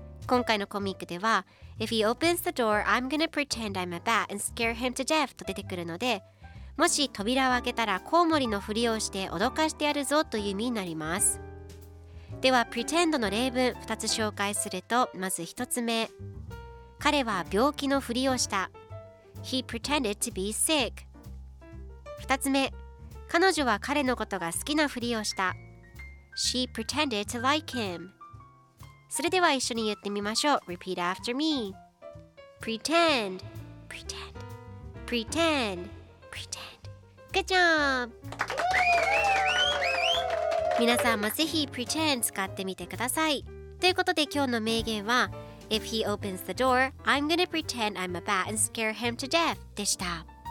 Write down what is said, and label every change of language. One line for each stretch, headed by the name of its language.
Japanese: 今回のコミックでは
English: If he opens the door, I'm gonna pretend I'm a bat and scare him to death
Japanese: と出てくるので、もし扉を開けたらコウモリのふりをして脅かしてやるぞという意味になります。では Pretend の例文2つ紹介すると、まず1つ目、彼は病気のふりをした。
English: He pretended to be sick.
Japanese: 2つ目、彼女は彼のことが好きなふりをした。
English: She pretended to like him.
Japanese: それでは一緒に言ってみましょう。
English: Repeat after me. Pretend. Pretend. Pretend. Pretend. Good job!
Japanese: 皆さんもぜひ Pretend 使ってみてください。ということで今日の名言は
English: If he opens the door, I'm gonna pretend I'm a bat and scare him to death.
Japanese: でした。